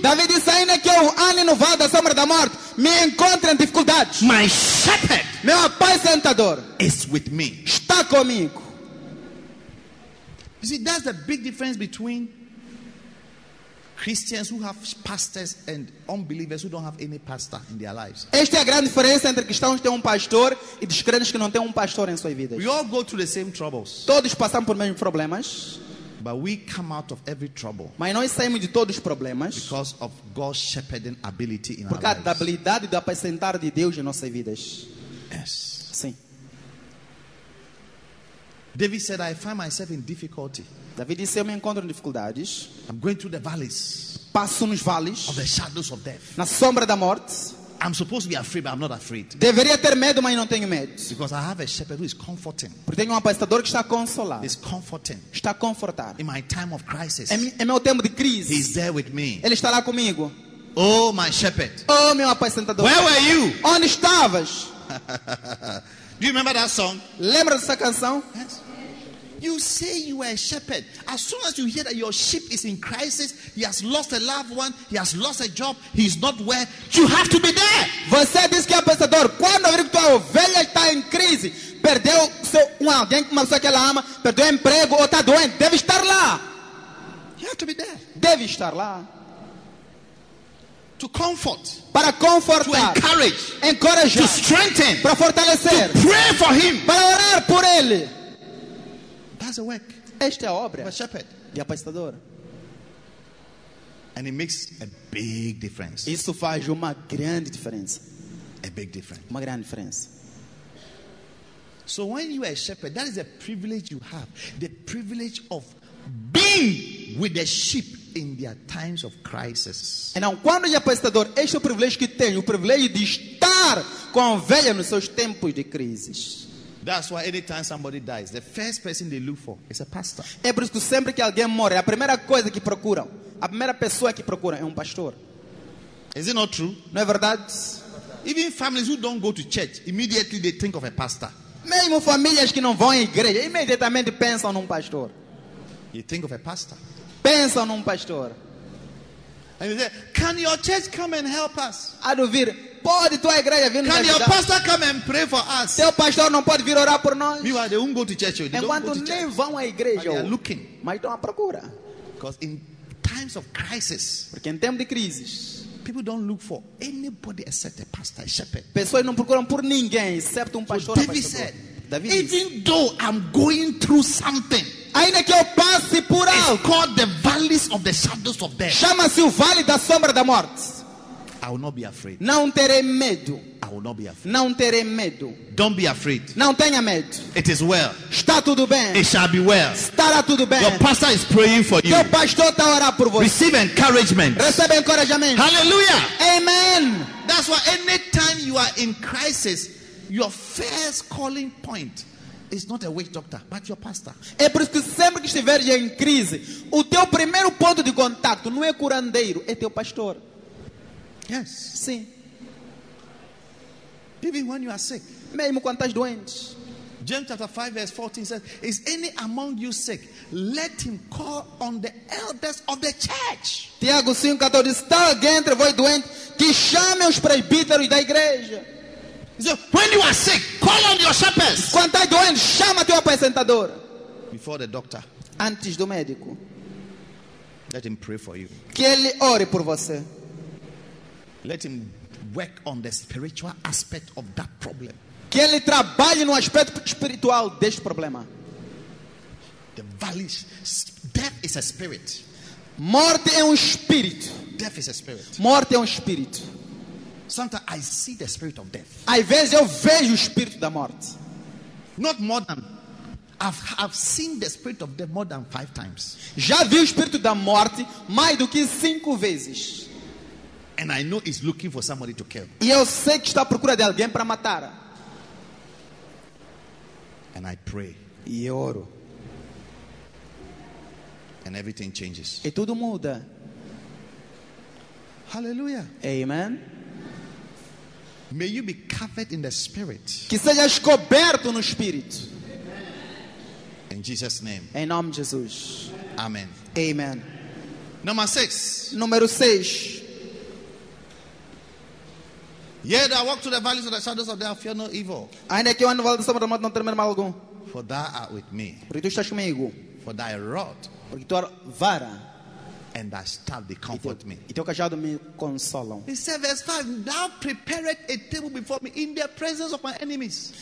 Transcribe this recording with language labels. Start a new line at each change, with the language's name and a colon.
Portuguese: David disse, ainda que eu ande no vale da sombra da morte, me encontre em dificuldade.
English: My shepherd,
Portuguese: meu apacentador,
English: is with me.
Portuguese: Está comigo.
English: You see, that's the big difference between Christians who have pastors and unbelievers who don't have any pastor in their lives.
Portuguese: Esta é a grande diferença entre cristãos que têm pastor e descrentes que não têm pastor em suas vidas.
English: We all go through the same troubles.
Portuguese: Todos passamos por mesmos problemas.
English: But we come out of every trouble.
Portuguese: Mas nós saímos de todos os problemas.
English: Because of God's shepherding ability in our lives.
Portuguese: Por causa da habilidade de apacentar de Deus em nossas vidas.
English: Yes.
Portuguese: Sim.
English: David said, I find myself in difficulty.
Portuguese: David disse, eu me encontro em dificuldades.
English: I'm going through the valleys.
Portuguese: Passo nos vales.
English: Of the shadows of death.
Portuguese: Na sombra da morte.
English: I'm supposed to be afraid, but I'm not afraid.
Portuguese: Deveria ter medo, mas não tenho medo.
English: Because I have a shepherd who is comforting.
Portuguese: Porque tenho apacentador que está a consolar.
English: He's comforting.
Portuguese: Está a confortar.
English: In my time of crisis.
Portuguese: Em meu tempo de crise.
English: He's there with me.
Portuguese: Ele está lá comigo.
English: Oh, my shepherd.
Portuguese: Oh, meu apacentador.
English: Where were you?
Portuguese: Onde estavas?
English: Do you remember that song?
Portuguese: Lembra dessa canção?
English: Yes. You say you are a shepherd. As soon as you hear that your sheep is in crisis, he has lost a loved one, he has lost a job, he's not where, you have to be there.
Portuguese: Você diz que é pastor. Quando ouvir que tua ovelha está em crise, perdeu alguém que uma pessoa que ela ama, perdeu emprego ou está doente, deve estar lá.
English: You have to be there.
Portuguese: Deve estar lá.
English: To comfort,
Portuguese: para confortar,
English: to encourage,
Portuguese: encorajar,
English: to strengthen,
Portuguese: para fortalecer,
English: to pray for him,
Portuguese: para orar por ele.
English: That's a work.
Portuguese: Esta é a obra.
English: A shepherd,
Portuguese: de apacentador.
English: And it makes a big difference.
Portuguese: Isso faz uma grande diferença.
English: A big difference.
Portuguese: Uma grande diferença.
English: So when you are a shepherd, that is a privilege you have, the privilege of being with the sheep. In their times of crisis.
Portuguese: E não, quando é apacentador, este é o privilégio que tem, o privilégio de estar com a ovelha nos seus tempos de crises.
English: That's why anytime somebody dies, the first person they look for is a pastor.
Portuguese: É por isso que sempre que alguém morre, a primeira coisa que procuram, a primeira pessoa que procuram é pastor.
English: Is it not true?
Portuguese: Não é verdade?
English: Even families who don't go to church, immediately they think of a pastor.
Portuguese: Mesmo famílias que não vão à igreja, imediatamente pensam num pastor.
English: You think of a pastor.
Portuguese: Pensam num pastor.
English: And they say, can your church come and help us?
Portuguese: Aduvir, pode tua igreja vir nos ajudar?
English: Can your pastor come and pray for us?
Portuguese: Teu pastor não pode vir orar por nós?
English: Meanwhile, they won't go to church.
Portuguese: Enquanto nem vão à igreja,
English: they are looking.
Portuguese: Mas estão à procura.
English: Because in times of crisis,
Portuguese: porque em tempo de crises,
English: people don't look for anybody except a pastor, a shepherd.
Portuguese: Pessoas não procuram por ninguém, exceto pastor.
English: So David said, David even is, though I'm going through something,
Portuguese: ainda que eu passe por algo,
English: it's called the valleys of the shadows of death,
Portuguese: chama-se o vale da sombra da morte,
English: I will not be afraid.
Portuguese: Não terei medo.
English: I will not be afraid.
Portuguese: Não terei medo.
English: Don't be afraid.
Portuguese: Não tenha medo.
English: It is well.
Portuguese: Está tudo bem.
English: It shall be well.
Portuguese: Estará tudo bem.
English: Your pastor is praying for you.
Portuguese: Teu pastor está orando por você.
English: Receive encouragement.
Portuguese: Receba encorajamento.
English: Hallelujah.
Portuguese: Amen.
English: That's why anytime you are in crisis, your first calling point is not a witch doctor, but your pastor.
Portuguese: É por isso que sempre que estiver em crise, o teu primeiro ponto de contato não é curandeiro, é teu pastor.
English: Yes.
Portuguese: Sim.
English: Even when you are sick.
Portuguese: Mesmo quando estás doente.
English: James chapter 5 verse 14 says, is any among you sick? Let him call on the elders of the church.
Portuguese: Tiago 5, 14 diz, está alguém entre vós doente? Que chame os presbíteros da igreja.
English: So, when you are sick, call on your shepherds.
Portuguese: Quando estás doente, chama teu apresentador.
English: Before the doctor.
Portuguese: Antes do médico.
English: Let him pray for you.
Portuguese: Que ele ore por você.
English: Let him work on the spiritual aspect of that problem.
Portuguese: Que ele trabalhe no aspecto espiritual deste problema.
English: The valley, death is a spirit.
Portuguese: Morte é espírito.
English: Death is a spirit.
Portuguese: Morte é espírito.
English: Sometimes I see the spirit of death.
Portuguese: Às vezes eu vejo o espírito da morte.
English: Not more than I've seen the spirit of death more than 5 times.
Portuguese: Já vi o espírito da morte mais do que 5 vezes.
English: And I know it's looking for somebody to kill.
Portuguese: E eu sei que está à procura de alguém para matar.
English: And I pray.
Portuguese: E eu oro.
English: And everything changes.
Portuguese: E tudo muda.
English: Hallelujah.
Portuguese: Amen.
English: May you be covered in the spirit.
Portuguese: Que sejas coberto no espírito.
English: In Jesus' name.
Portuguese: Em nome de Jesus.
English: Amen.
Portuguese: Amen.
English: Number 6.
Portuguese: Número 6.
English: Yet I walk through the valleys of the shadows of death, I fear no evil.
Portuguese: Ainda que eu ande no vale da sombra da morte, não temer mal algum.
English: For thou art with me.
Portuguese: Porque tu estás comigo.
English: For thy rod.
Portuguese: Porque tua vara.
English: And thy staff they comfort me.
Portuguese: E teu cajado me consola.
English: He said, verse 5, thou preparest a table before me in the presence of my enemies.